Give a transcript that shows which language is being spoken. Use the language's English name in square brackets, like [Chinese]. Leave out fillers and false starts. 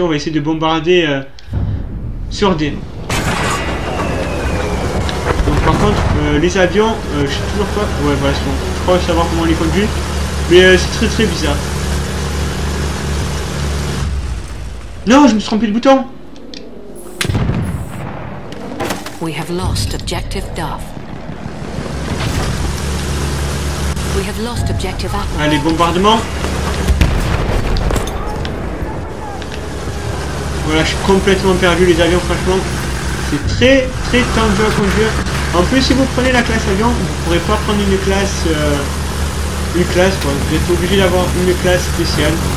[French] On va essayer de bombarder sur D. Donc par contre, les avions, je sais toujours pas. Ouais, voilà, c'est bon. Je crois savoir comment on les conduit. Mais c'est très très bizarre. Non, je me suis trompé de bouton. [English] We have lost objective Duff. We have lost objective Apple. [French] Allez, bombardement. Voilà, je suis complètement perdu les avions, franchement. C'est très, très tendu à conduire. En plus, si vous prenez la classe avion, vous ne pourrez pas prendre une classe une classe, quoi. Vous êtes obligé d'avoir une classe spéciale.